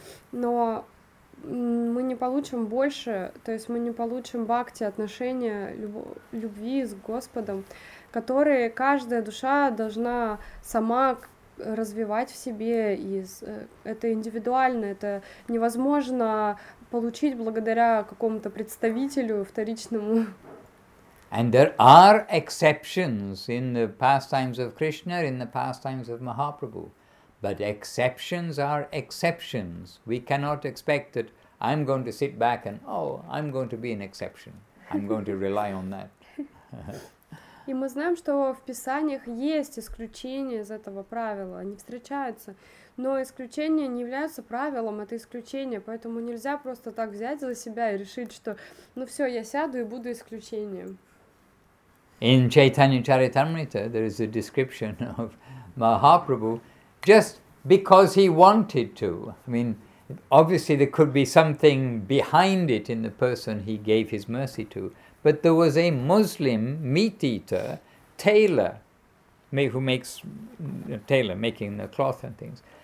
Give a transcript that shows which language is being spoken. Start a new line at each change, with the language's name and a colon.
Russian: Но мы не получим больше, то есть мы не получим бхакти, отношения любви с Господом, которые каждая душа должна сама развивать в себе. Это индивидуально, это невозможно получить благодаря какому-то представителю вторичному.
English: And there are exceptions in the pastimes of Krishna, in the pastimes of Mahaprabhu. But exceptions are exceptions. We cannot expect that I'm going to sit back and, oh, I'm going to be an exception. I'm going to rely on that.
Russian: И мы знаем, что в писаниях есть исключения из этого правила, они встречаются. Но исключения не являются правилом, это исключение, поэтому нельзя просто так взять за себя и решить, что, ну все, я сяду и буду исключением.
English: In Chaitanya Charitamrita, there is a description of Mahaprabhu just because he wanted to. I mean, obviously there could be something behind it in the person he gave his mercy to. But there was a Muslim meat eater, making the cloth and things.